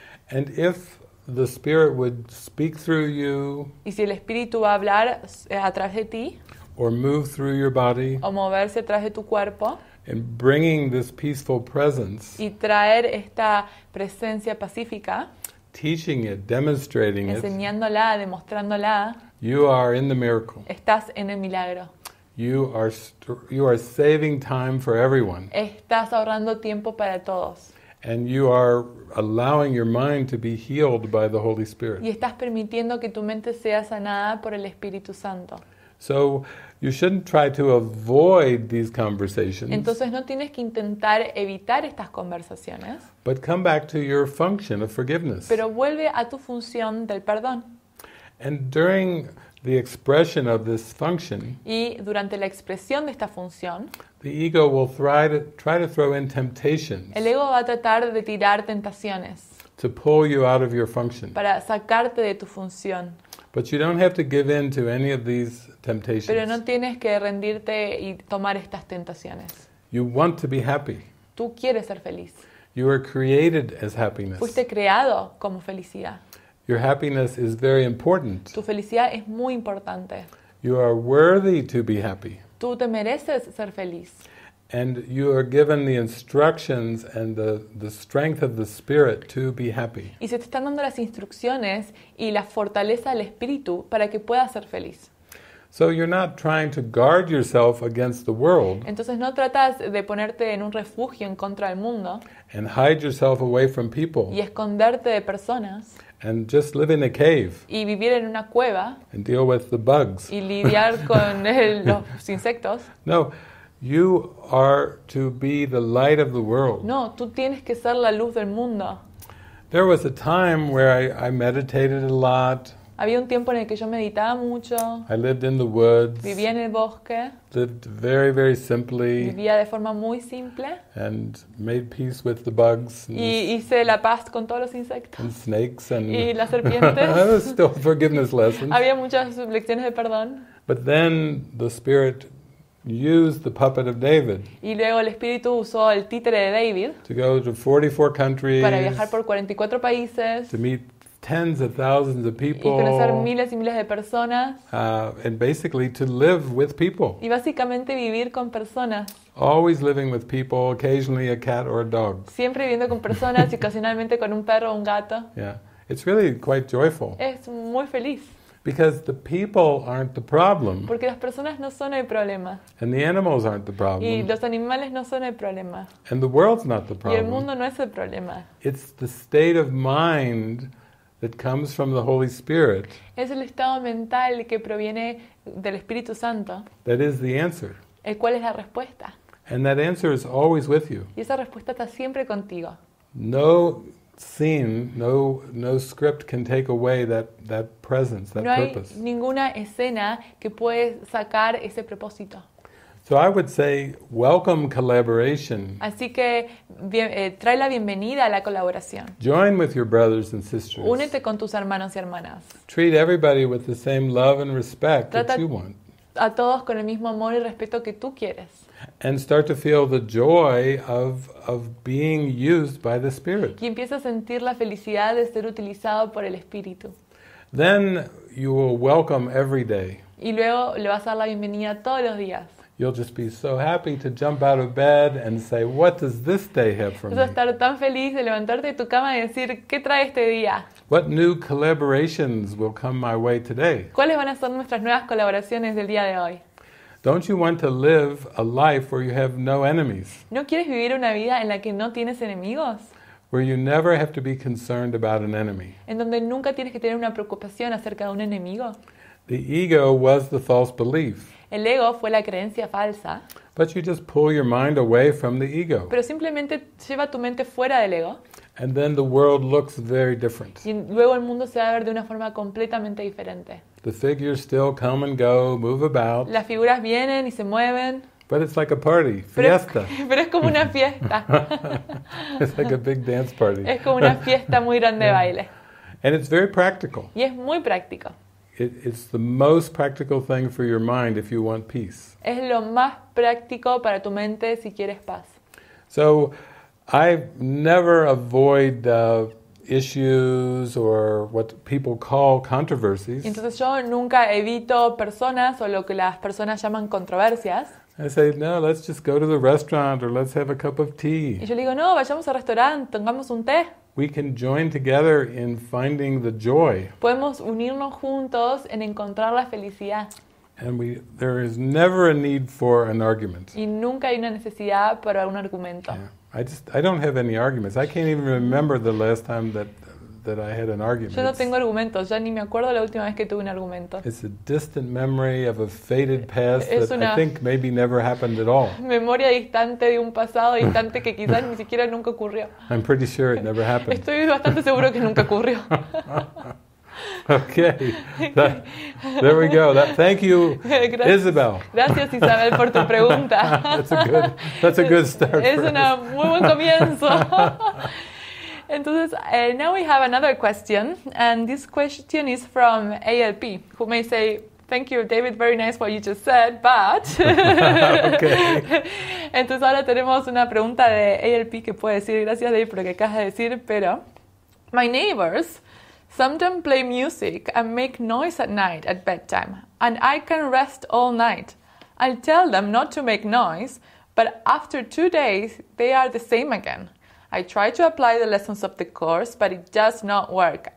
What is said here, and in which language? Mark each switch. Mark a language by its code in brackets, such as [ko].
[en] And if the spirit would speak through you. [es] Y si el espíritu va a hablar a través de ti. [en] Or move through your body. [es] O moverse a través de tu cuerpo. [en] And bringing this peaceful presence. [es] Y traer esta presencia pacífica. [en] Teaching it, demonstrating it. [es] Enseñándola, demostrándola. [en] You are in the miracle. [es] Estás en el milagro. [en] You are saving time for everyone. [es] Estás ahorrando tiempo para todos. [en] And you are allowing your mind to be healed by the Holy Spirit. [es] Y estás permitiendo que tu mente sea sanada por el Espíritu Santo. [en] So you shouldn't try to avoid these conversations. [es] Entonces no tienes que intentar evitar estas conversaciones. [en] But come back to your function of forgiveness. [es] Pero vuelve a tu función del perdón. [en] And during the expression of this function. [es] Y durante la expresión de esta función. [en] The ego will try to throw in temptations. [es] El ego va a tratar de tirar tentaciones. [en] To pull you out of your function. [es] Para sacarte de tu función. [en] But you don't have to give in to any of these temptations. [es] Pero no tienes que rendirte y tomar estas tentaciones. [en] You want to be happy. [es] Tú quieres ser feliz. [en] You are created as happiness. [es] Fuiste creado como felicidad. [en] Your happiness is very important. [es] Tu felicidad es muy importante. [en] You are worthy to be happy. [es] Tú te mereces ser feliz. [en] And you are given the instructions and the strength of the spirit to be happy. [es] Y se te están dando las instrucciones y la fortaleza del espíritu para que puedas ser feliz. [en] So you're not trying to guard yourself against the world. [es] Entonces no tratas de ponerte en un refugio en contra del mundo. [en] And hide yourself away from people. [es] Y esconderte de personas. [en] And just live in a cave. [es] Y vivir en una cueva. [en] And deal with the bugs. [es] Y lidiar con los insectos. [en] No. You are to be the light of the world. [es] No, tú tienes que ser la luz del mundo. [en] There was a time where I meditated a lot. [es] Había un tiempo en el que yo meditaba mucho. [en] I lived in the woods. [es] Vivía en el bosque. [en] Lived very, very simply. [es] Vivía de forma muy simple. [en] And made peace with the bugs. [es] Y hice la paz con todos los insectos. [en] And snakes and. [es] Y las serpientes. [en] Still forgiveness lessons. [es] Había muchas lecciones de perdón. [en] But then the spirit used the puppet of David. [es] Y luego el espíritu usó el títere de David. [en] To go to 44 countries. [es] Para viajar por 44 países. [en] To meet tens of thousands of people. [es] Y conocer miles y miles de personas. [en] And basically to live with people. [es] Y básicamente vivir con personas. [en] Always living with people, occasionally a cat or a dog. [es] Siempre viviendo con personas y ocasionalmente con un perro o un gato. [en] Yeah. It's really quite joyful. [es] Es muy feliz. [en] Because the people aren't the problem. [es] Porque las personas no son el problema. [en] And the animals aren't the problem. [es] Y los animales no son el problema. [en] And the world's not the problem. [es] Y el mundo no es el problema. [en] It's the state of mind that comes from the Holy Spirit. [es] Es el estado mental que proviene del Espíritu Santo. [en] That is the answer. [es] El cual es la respuesta. [en] And that answer is always with you. [es] Y esa respuesta está siempre contigo. [en] No scene, no script can take away that presence, that [es] No hay purpose. Ninguna escena que puede sacar ese propósito. [en] So I would say, welcome collaboration. [es] Así que trae la bienvenida a la colaboración. [en] Join with your brothers and sisters. [es] Únete con tus hermanos y hermanas. [en] Treat everybody with the same love and respect that you want. [es] Trata a todos con el mismo amor y respeto que tú quieres. [en] And start to feel the joy of being used by the Spirit. [es] Y empieza a sentir la felicidad de ser utilizado por el Espíritu. [en] Then you will welcome every day. [es] Y luego le vas a dar la bienvenida todos los días. [en] You'll just be so happy to jump out of bed and say, what does this day have for me? [es] Vas a estar tan feliz de levantarte de tu cama y decir, ¿qué trae este día? [en] What new collaborations will come my way today? [es] ¿Cuáles van a ser nuestras nuevas colaboraciones del día de hoy? [en] Don't you want to live a life where you have no enemies? [es] ¿No quieres vivir una vida en la que no tienes enemigos? [en] Where you never have to be concerned about an enemy. [es] ¿En donde nunca tienes que tener una preocupación acerca de un enemigo? [en] The ego was the false belief. [es] El ego fue la creencia falsa. [en] But you just pull your mind away from the ego. [es] Pero simplemente lleva tu mente fuera del ego. [en] And then the world looks very different. [es] Y luego el mundo se va a ver de una forma completamente diferente. [en] The figures still come and go, move about. [es] Las figuras vienen y se mueven. [en] But it's like a party, fiesta. [es] Pero es como una fiesta. [en] It's like a big dance party. [es] Es como una fiesta muy grande de baile. [en] And it's very practical. [es] Y es muy práctico. [en] It's the most practical thing for your mind if you want peace. [es] Es lo más práctico para tu mente si quieres paz. [en] So, I never avoid issues or what people call controversies. [es] Entonces yo nunca evito personas o lo que las personas llaman controversias. [en] I say, no, let's just go to the restaurant or let's have a cup of tea. [es] Y yo digo, no, vayamos al restaurante, tengamos un té. [en] We can join together in finding the joy. [es] Podemos unirnos juntos en encontrar la felicidad. [en] And there is never a need for an argument. [es] Y nunca hay una necesidad para un argumento. [en] Yeah. I don't have any arguments. I can't even remember the last time that I had an argument. [es] Yo no tengo argumentos. Ya ni me acuerdo la última vez que tuve un argumento. [en] It's a distant memory of a faded past that I think maybe never happened at all. [es] Memoria distante de un pasado distante que quizás ni siquiera nunca ocurrió. [en] I'm pretty sure it never happened. [es] Estoy bastante seguro que nunca ocurrió. [en] Okay. There we go. Thank you, Isabel. [es] Gracias, Isabel, por tu pregunta. [en] That's a good start. [es] Es una muy buen comienzo. Entonces, [en] now we have another question, and this question is from ALP, who may say, thank you, David, very nice what you just said, but... Okay. [es] Entonces, ahora tenemos una pregunta de ALP que puede decir, gracias, David, por lo que acabas de decir, pero... [en] My neighbors sometimes play music and make noise at night at bedtime, and I can rest all night. I'll tell them not to make noise, but after 2 days, they are the same again. I try to apply the lessons of the course, but it does not work.